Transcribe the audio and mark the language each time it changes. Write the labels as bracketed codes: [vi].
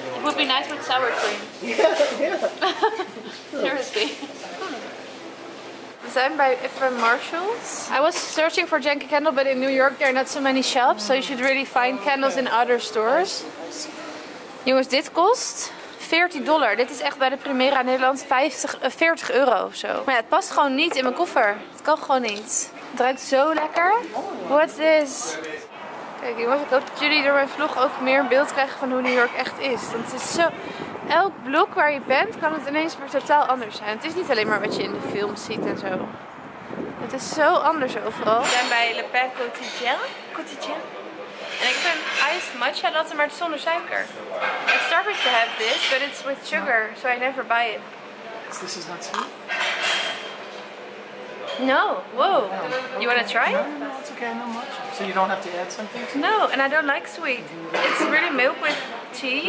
[en] It would be nice with sour cream. Yeah. Seriously. Designed by Ephraim Marshalls. I was searching for Janky Candle, but in New York there are not so many shops, so you should really find candles in other stores. [nl] Jongens, dit kost $40. Dit is echt bij de Primera Nederland €40 of zo. Maar ja, het past gewoon niet in mijn koffer. Het kan gewoon niet. Het ruikt zo lekker. [en] What's this? [nl] Kijk jongens, ik hoop dat jullie door mijn vlog ook meer beeld krijgen van hoe New York echt is. Want het is zo... Elk blok waar je bent, kan het ineens weer totaal anders zijn. Het is niet alleen maar wat je in de film ziet en zo. Het is zo anders overal. We zijn bij Le Pain Quotidien. Quotidien. En ik heb een iced matcha latte, maar het is zonder suiker. [en] I started to have this, but it's with sugar, so I never buy it. This is not sweet. No, whoa. No. Okay. You wanna try? No, it's okay, not much. So you don't have to add something to it? No, and I don't like sweet. It's really milk with tea.